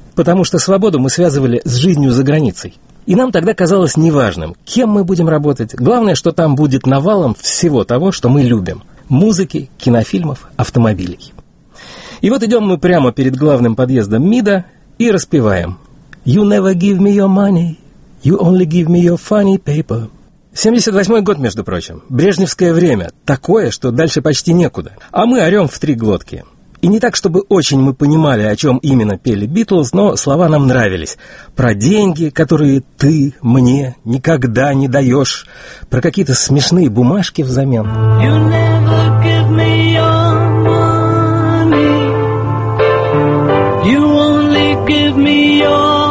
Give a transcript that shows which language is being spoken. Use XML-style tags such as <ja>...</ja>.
<ru>Потому что свободу мы связывали с жизнью за границей. И нам тогда казалось неважным, кем мы будем работать. Главное, что там будет навалом всего того, что мы любим. Музыки, кинофильмов, автомобилей. И вот идем мы прямо перед главным подъездом МИДа и распеваем.</ru> <en>You never give me your money, you only give me your funny paper.</en> <ru>78-й год, между прочим. Брежневское время. Такое, что дальше почти некуда. А мы орем в три глотки. И не так, чтобы очень мы понимали, о чем именно пели Битлз, но слова нам нравились. Про деньги, которые ты мне никогда не даешь. Про какие-то смешные бумажки взамен.</ru> <en>You never give me your money, you only give me your...</en>